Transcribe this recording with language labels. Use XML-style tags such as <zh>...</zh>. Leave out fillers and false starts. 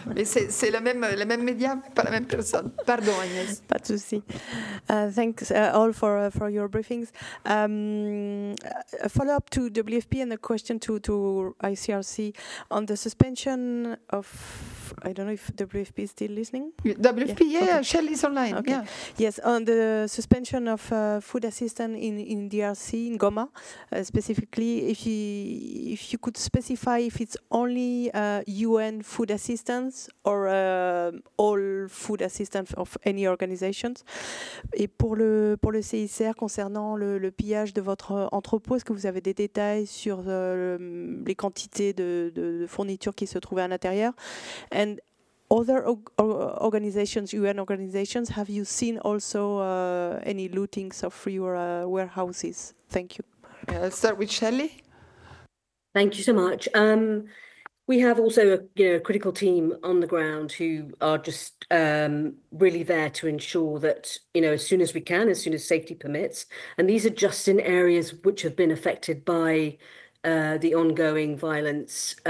<fr>Mais c'est le même média, pas la même personne. Pardon, Agnès. Pas de souci.</fr> <en>Thanks all for your briefings. A follow-up to WFP and a question to ICRC on the suspension of... I don't know if WFP is still listening. WFP, okay. Shelley is online. Okay. Yeah. Yes, on the suspension of food assistance in DRC, in Goma, specifically, if you could specify if it's only UN food assistance or all food assistance of any organizations.</en> <fr>Et pour le CICR, concernant le pillage de votre entrepôt, est-ce que vous avez des détails sur les quantités de fournitures qui se trouvaient à l'intérieur?</fr> <en>And other organizations, UN organizations, have you seen also any lootings of your warehouses? Thank you. Yeah, I'll start with Shelley. Thank you so much. We have also a critical team on the ground who are just really there to ensure that, you know, as soon as we can, as soon as safety permits, and these are just in areas which have been affected by the ongoing violence.</en>